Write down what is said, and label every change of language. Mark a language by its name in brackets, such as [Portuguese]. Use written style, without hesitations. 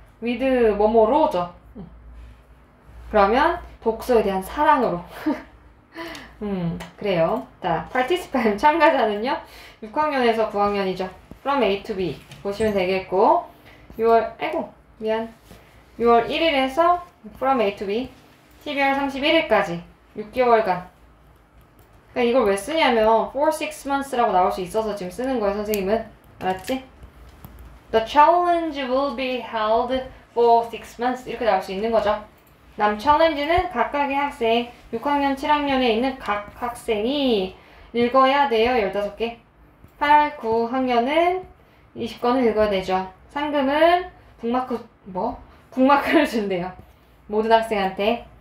[Korean] with, 뭐뭐로죠. 그러면, 독서에 대한 사랑으로. 그래요. 자, participant, 참가자는요? 6학년에서 9학년이죠. [English] from A to B. [Korean] 보시면 되겠고, 6월, 아이고, 미안. 6월 1일에서 [English] from A to B. [Korean] TBR 31일까지. 6개월간. 이걸 왜 쓰냐면 [English] for 6 months [Korean] 라고 나올 수 있어서 지금 쓰는 거예요, 선생님은. 알았지? [English] The challenge will be held for 6 months [Korean] 이렇게 나올 수 있는 거죠. 남 챌린지는 각각의 학생, 6학년, 7학년에 있는 각 학생이 읽어야 돼요, 15개. 8, 9학년은 20권을 읽어야 되죠. 상금은 북마크, 뭐? 북마크를 준대요. 모든 학생한테.